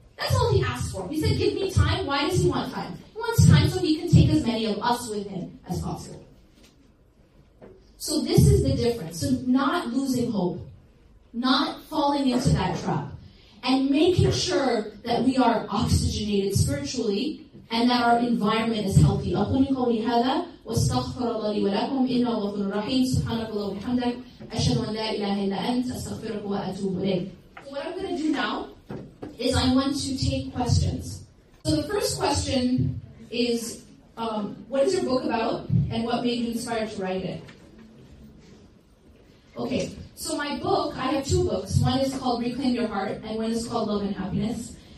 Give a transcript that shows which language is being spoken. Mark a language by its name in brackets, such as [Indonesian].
[English] That's all he asked for. He said, give me time. Why does he want time? He wants time so he can take as many of us with him as possible. So this is the difference. So not losing hope. Not falling into that trap. And making sure that we are oxygenated spiritually and that our environment is healthy. [Arabic] أقول قولي هذا واستغفر الله لي ولكم إنه غفور رحيم سبحانك اللهم وبحمدك أشهد أن لا إله إلا أنت أستغفرك وأتوب إليك. [English] What I'm going to do now is I want to take questions. So the first question is, what is your book about and what made you inspired to write it? Okay, so my book, I have two books. One is called Reclaim Your Heart and one is called Love and Happiness.